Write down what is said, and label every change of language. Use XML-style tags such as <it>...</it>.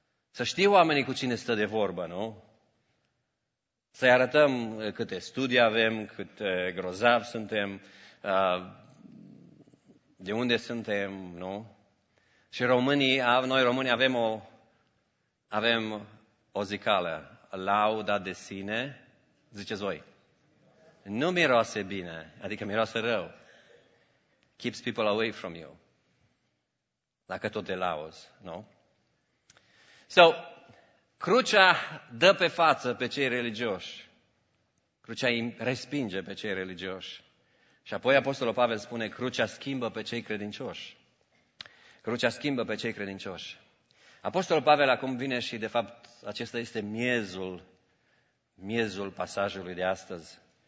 <ro>Să știe oamenii cu cine stă de vorbă, nu? Să-i arătăm câte studii avem, cât grozav suntem, de unde suntem, nu? Și românii, noi românii avem o zicală, lauda de sine, ziceți voi, nu miroase bine, adică miroase rău.</ro> <en>Keeps people away from you,</en> <ro>dacă tot te lauzi, nu? So, crucea dă pe față pe cei religioși. Crucea îi respinge pe cei religioși. Și apoi Apostolul Pavel spune, crucea schimbă pe cei credincioși. Crucea schimbă pe cei credincioși. Apostolul Pavel acum vine și, de fapt, acesta este miezul pasajului de astăzi.</ro>